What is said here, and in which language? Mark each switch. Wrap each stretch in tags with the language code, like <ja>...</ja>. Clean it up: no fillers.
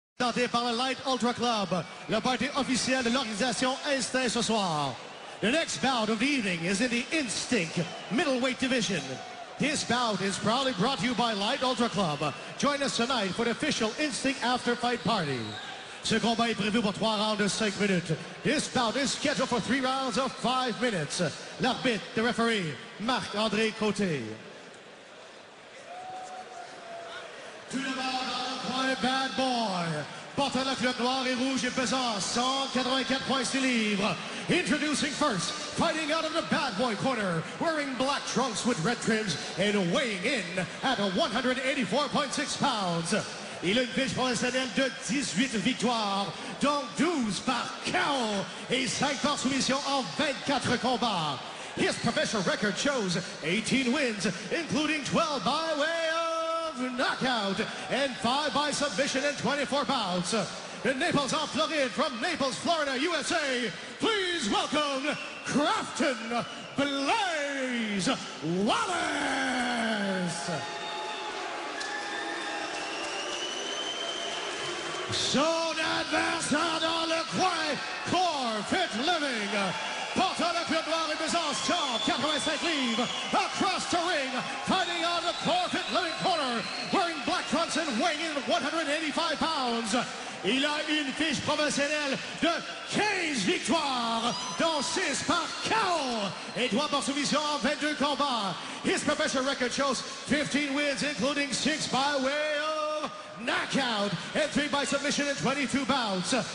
<fr>tenté par le Light Ultra Club, le party officiel de l'organisation Instinct ce soir.</fr> <en>The next bout of the evening is in the Instinct middleweight division. This bout is proudly brought to you by Light Ultra Club. Join us tonight for the official Instinct after fight party.</en> <fr>Ce combat est prévu pour trois rounds de 5 minutes.</fr> <en>This bout is scheduled for three rounds of 5 minutes.</en> <fr>L'arbitre,</fr> <en>the referee,</en> <fr>Marc-André Côté. Tout le monde en point, bad boy. Portant la couleur noire et rouge et pesant 184.6 livres.</fr> <en>Introducing first, fighting out of the bad boy corner, wearing black trunks with red trims and weighing in at 184.6 pounds.</en> <fr>Il a une fiche professionnelle de 18 victoires, dont 12 par KO et 5 par soumission en 24 combats.</fr> <en>His professional record shows 18 wins, including 12 by way of knockout and 5 by submission and 24 bouts.</en> <fr>De Naples en Floride,</fr> <en>from Naples, Florida, USA, please welcome Crafton Blaze Wallace!</en> <fr>Son adversaire dans le coin, Core Fit Living. Portant le plus noir et pesant, 185 livres.</fr> <en>Across the ring, fighting on the Core Fit Living corner, wearing black trunks and weighing 185 pounds.</en> <fr>Il a une fiche professionnelle de 15 victoires, dont 6 par KO et 3 par soumission en 22 combats.</fr> <en>His professional record shows 15 wins, including 6 by way of knockout and 3 by submission and 22 bouts.</en>